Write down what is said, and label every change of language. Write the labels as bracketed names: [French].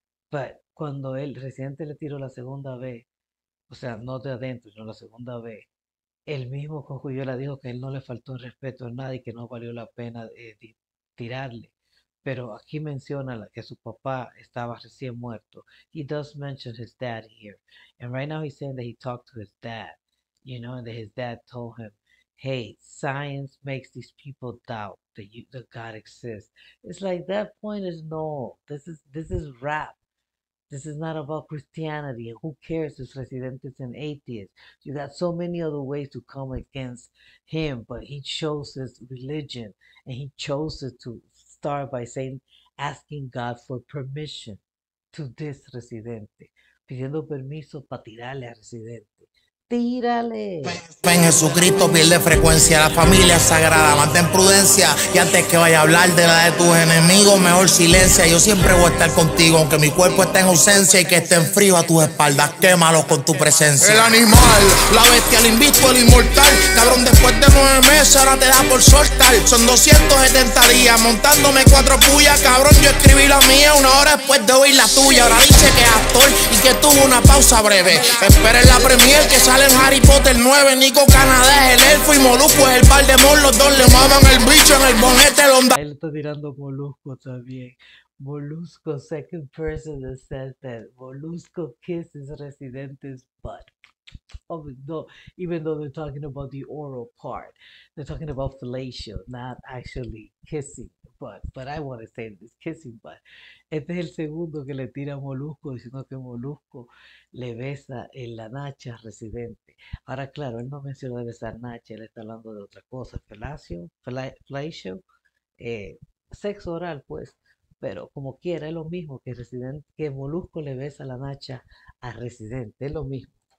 [Spanish] Pero cuando el Residente le tiró la segunda vez, o sea, no de adentro, sino la segunda vez, el mismo Cosculluela dijo que él no le faltó el respeto a nadie, que no valió la pena tirarle. Pero aquí menciona que su papá estaba recién muerto. [English] He does mention his dad here. And right now he's saying that he talked to his dad. You know, and that his dad told him, hey, science makes these people doubt that God exists. It's like that point is null. This is rap. This is not about Christianity. And who cares if Resident is an atheist? You got so many other ways to come against him, but he chose his religion and he chose it to start by saying, asking God for permission to this Residente, [Spanish] pidiendo permiso para tirarle a Residente. Tírale. En Jesucristo pierde frecuencia, la familia sagrada, mantén prudencia. Y antes que vaya a hablar de la de tus enemigos, mejor silencio. Yo siempre voy a estar contigo, aunque mi cuerpo esté en ausencia y que esté en frío a tus espaldas. Quémalo con tu presencia. El animal, la bestia, el invicto, el inmortal. Cabrón, después de 9 meses, ahora te da por soltar. Son 270 días montándome 4 pullas. Cabrón, yo escribí la mía 1 hora después de oír la tuya. Ahora dice que es actor y que tuvo una pausa breve. Esperen la premier que sale en Harry Potter 9. Nico Canadá es el elfo y Molusco es el Valdemor. Los dos le maman el bicho en el bonete del onda. Él está tirando Molusco también. [English] Molusco, second person that says that. Molusco kisses Residente's butt. Oh, no. Even though they're talking about the oral part, they're talking about fellatio, not actually kissing. But I want to say this kissing butt. [Spanish] Este es el segundo que le tira a Molusco diciendo que Molusco le besa en la nacha Residente. Ahora, claro, él no mencionó de besar nacha, él está hablando de otra cosa. Felacio, fellatio, sexo oral, pues. Pero como quiera, es lo mismo que Residente, que Molusco le besa la nacha a Residente, es lo mismo.